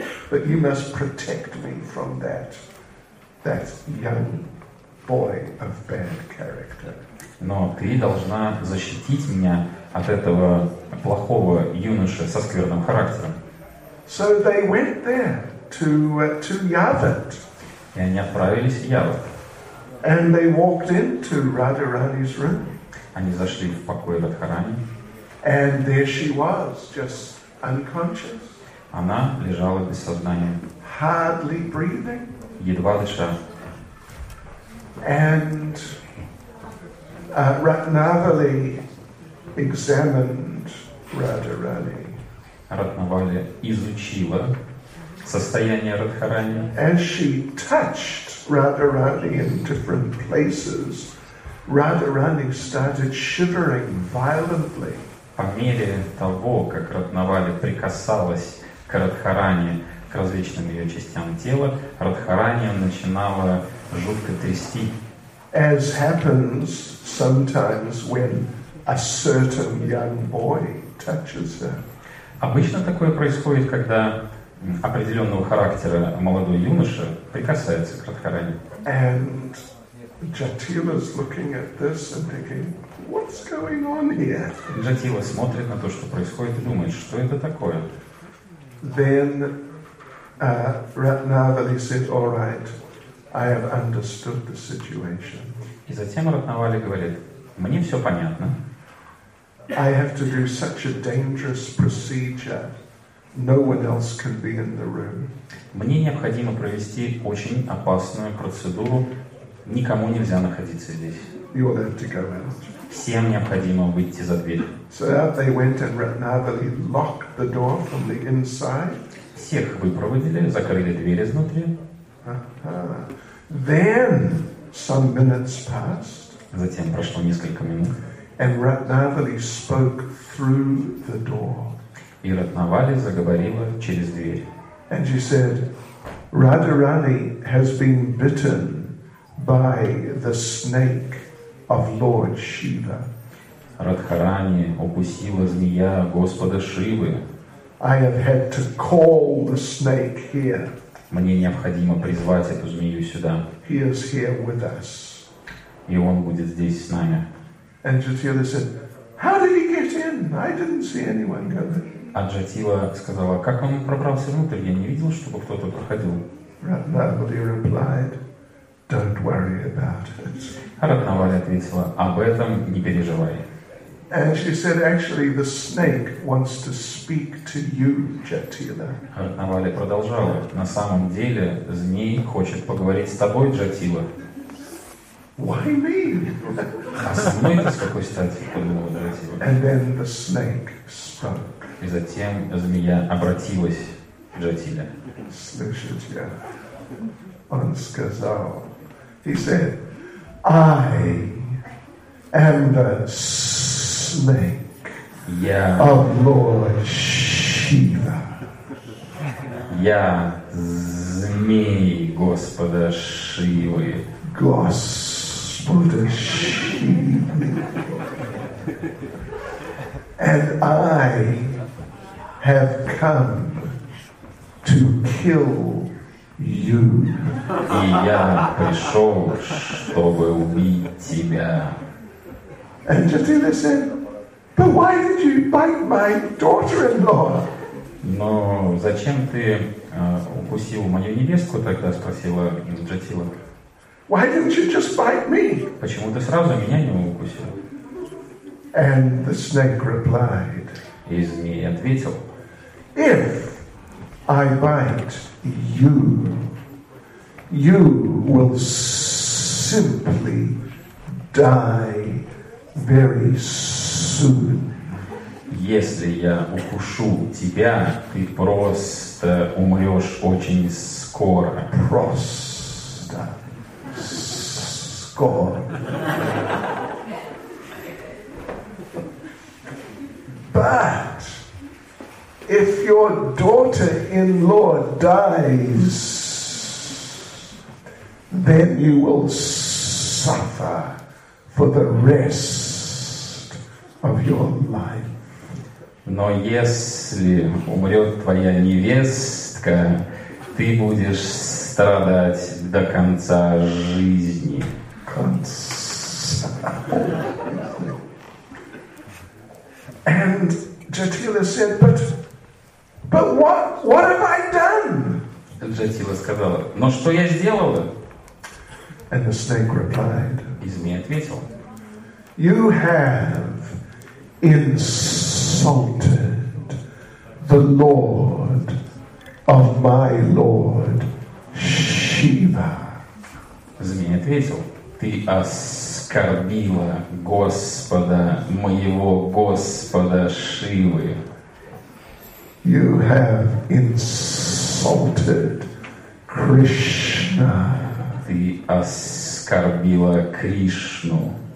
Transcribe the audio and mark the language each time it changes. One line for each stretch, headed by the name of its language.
English: But you must protect me from that young boy of bad character.
Russian: Но ты должна защитить меня от этого плохого юноши со скверным характером.
English: So they went there to Yavat.
Russian: И они отправились в Yavat.
English: And they walked into Radharani's room.
Russian: Они зашли в покои Радхарани.
English: And there she was, just unconscious.
Russian: Она лежала без сознания.
English: Hardly breathing.
Russian: Едва дыша.
English: And Ratnavali examined Radharani.
Russian: Ратнавали изучила состояние Радхарани.
English: As she touched Radharani in different places, Radharani started shivering violently.
Russian: По мере того, как Ратнавали прикасалась к Радхарани, к различным ее частям тела, Радхарани начинала жутко трясти.
English: As happens sometimes when a certain young boy touches her.
Russian: Обычно такое происходит, когда определенного характера молодой юноша прикасается к Радхарани.
English: And Jatila's looking at this and thinking, what's going on here?
Russian: Джатила смотрит на то, что происходит, и думает, что это такое?
English: Then Ratnavali said, "All right, I have understood the situation."
Russian: И затем Ратнавали говорит: "Мне все понятно."
English: I have to do such a dangerous procedure. No one else can be in the room.
Russian: Мне необходимо провести очень опасную процедуру. Никому нельзя находиться здесь.
English: You will have to go out.
Russian: Всем необходимо выйти за дверь.
English: So out they went and Ratnavali locked the door from the inside.
Russian: Всех выпроводили, закрыли дверь изнутри.
English: Then some minutes passed.
Russian: Затем прошло несколько минут.
English: And Ratnavali spoke through the door.
Russian: И Ратнавали заговорила через дверь.
English: And she said, Radharani has been bitten by the snake of Lord Shiva.
Russian: Радхарани укусила змея Господа Шивы.
English: I have had to call the snake here.
Russian: Мне необходимо призвать эту змею сюда.
English: He is here with us.
Russian: И он будет здесь с нами.
English: And Jatila said, How did he get in? I didn't see anyone go in.
Russian: А Джатила сказала, как он пробрался внутрь? Я не видел, чтобы кто-то проходил.
English: Радхнавали replied, don't worry about it.
Russian: Радхнавали ответила, об этом не переживай.
English: And she said, actually, the snake wants to speak to you, Jatila.
Russian: Радхнавали продолжала, на самом деле змей хочет поговорить с тобой, Джатила.
English: Why me?
Russian: А со мной с какой стати? Подумала Джатила.
English: And then the snake spoke.
Russian: И затем змея обратилась к Джатиле. Слышите, он сказал,
English: he said, I am the snake of Lord Shiva.
Russian: Я змей Господа Шивы. Господа Шивы.
English: And I have come to kill you.
Russian: И я пришел, чтобы убить тебя.
English: And Jatila said, but why did you bite my daughter-in-law?
Russian: Но зачем ты укусил мою невестку, тогда спросила Джатила.
English: Why didn't you just bite me?
Russian: Почему ты сразу меня не укусил?
English: And the snake replied,
Russian: и змей ответил,
English: if I bite you, you will simply die very soon.
Russian: Если я укушу тебя, ты просто умрешь очень скоро. Просто скоро.
English: But if your daughter-in-law dies, then you will suffer for the rest of your life.
Russian: Но если умрет твоя невестка, ты будешь страдать до конца жизни. Конца.
English: And Jatila said, but what have I done?
Russian: Jatila сказала, но что я сделала?
English: And the snake replied,
Russian: и змей ответил,
English: you have insulted the Lord of my Lord Shiva.
Russian: Змей ответил, ты оскорбила Господа, моего Господа Шивы.
English: You have insulted Krishna.
Russian: Ты оскорбила Кришну.